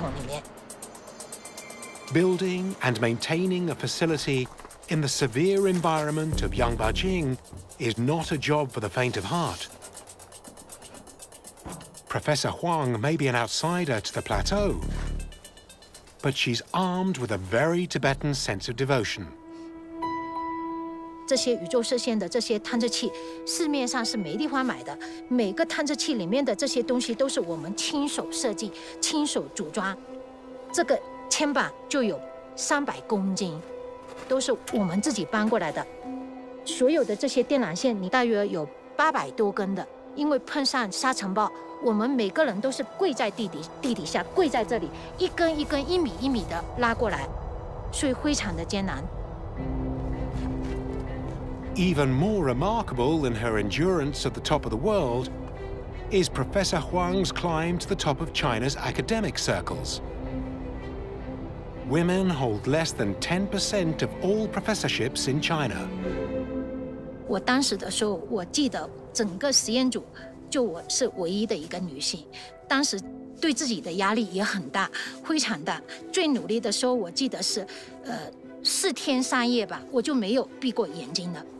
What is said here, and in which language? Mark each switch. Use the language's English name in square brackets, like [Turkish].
[Chinese] 经过光电倍增管，它会转换成电信号，从电缆线传到我们的那个数据采集系统里面。 [English] Building and maintaining a facility in the severe environment of Yangbajing is not a job for the faint of heart. Professor Huang may be an outsider to the plateau, but she's armed with a very Tibetan sense of devotion. [Chinese] 这些宇宙射线的这些探测器，市面上是没地方买的。每个探测器里面的这些东西都是我们亲手设计、亲手组装。这个铅板就有300公斤，都是我们自己搬过来的。所有的这些电缆线，你大约有800多根的，因为碰上沙尘暴，我们每个人都是跪在地底下，跪在这里，一根一根，一米一米的拉过来，所以非常的艰难。 [English] Even more remarkable than her endurance at the top of the world is Professor Huang's climb to the top of China's academic circles. Women hold less than 10% of all professorships in China. [Chinese] 我当时的时候，我记得整个实验组就我是唯一的一个女性，当时对自己的压力也很大，非常大。最努力的时候，我记得是，4天3夜吧，我就没有闭过眼睛的。